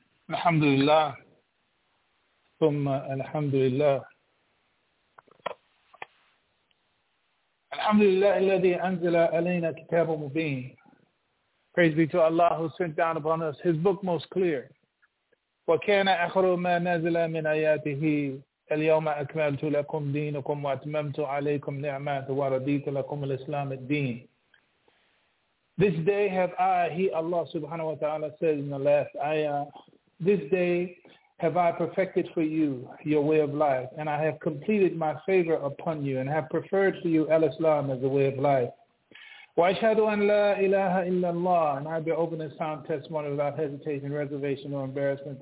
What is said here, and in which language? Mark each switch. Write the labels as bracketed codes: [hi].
[ar] الحمد لله ثم الحمد لله الحمد لله الذي أنزل علينا كتاب مبين. [en] Praise be to Allah who sent down upon us His book most clear. [ar] وكان آخر ما نزل من آياته اليوم أكملت لكم دينكم وأتممت عليكم نعمت ورديت لكم الإسلام الدين. [en] This day have I, He Allah subhanahu wa ta'ala says in the last ayah, this day have I perfected for you your way of life, and I have completed my favor upon you and have preferred for you al-Islam as the way of life. Wa ashhadu an la ilaha illallah, and I bear open and sound testimony without hesitation, reservation, or embarrassment.